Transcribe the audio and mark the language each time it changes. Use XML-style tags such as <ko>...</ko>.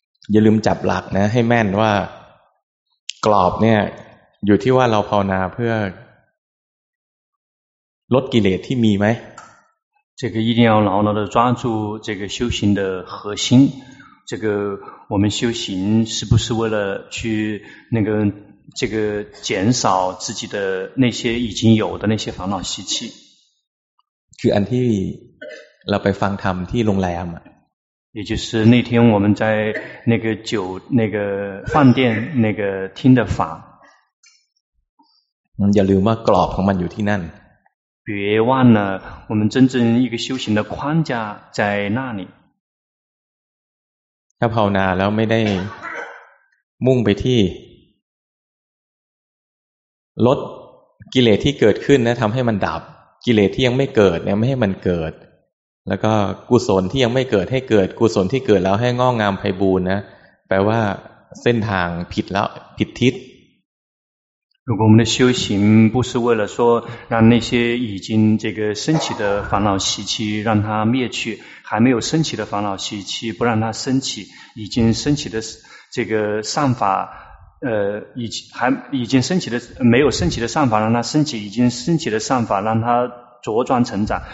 <th>อย่าลืมจับหลักนะให้แม่นว่ากรอบเนี่ยอยู่ที่ว่าเราภาวนาเพื่อลดกิเลสที่มีไหม</th> <zh>这个一定要牢牢地抓住这个修行的核心这个我们修行是不是为了去那个这个减少自己的那些已经有的那些烦恼习气</zh> <th>คืออันที่เราไปฟังธรรมที่โรงแรม</th> <zh>也就是那天我们在那个酒那个饭店那个听的法</zh> <th>อย่าลืมว่ากรอบของมันอยู่ที่นั่น</th> <zh>别忘了我们真正一个修行的框架在那里</zh> <th>ถ้าภาวนาแล้วไม่ได้มุ่งไปที่ลดกิเลสที่เกิดขึ้นนะทำให้มันดับกิเลสที่ยังไม่เกิดเนี่ยไม่ให้มันเกิดแล้วก็กุศลที่ยังไม่เกิดให้เกิดกุศลที่เกิดแล้วให้งอกงามไพบูลย์นะแปลว่าเส้นทางผิดแล้วผิดทิศ</th> <zh>如果我们的修行不是为了说让那些已经这个升起的烦恼习气让它灭去，还没有升起的烦恼习气不让它升起，已经升起的这个善法已经升起的没有升起的善法让它升起，已经升起的善法让它茁壮成长。</zh>